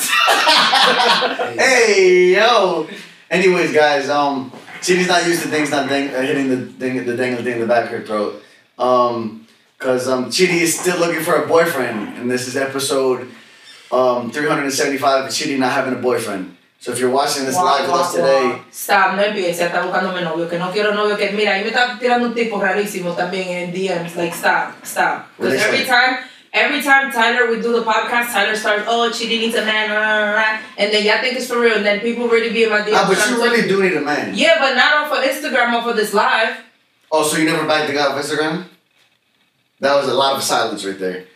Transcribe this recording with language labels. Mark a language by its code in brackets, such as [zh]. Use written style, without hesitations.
[en] Hey, yo. Anyways, guys. Chibi's not used to things not hitting the dangly thing in the back of her throat. Because Chidi is still looking for a boyfriend. And this is episode 375 of Chidi not having a boyfriend. So if you're watching this live with us today... [es] Stop, no empieces. Está buscando mi novio. Que no quiero novio. Que mira, ahí me está tirando un tipo rarísimo también en DMs. [en] Like, stop. Because every time Tyler, we do the podcast, Tyler starts, oh, Chidi needs a man. And then y'all think it's for real. And then people really be in my DMs. Ah, but you really do need a man. Yeah, but not off of Instagram, off of this live. Oh, so you never bagged the guy off Instagram? That was a lot of silence right there.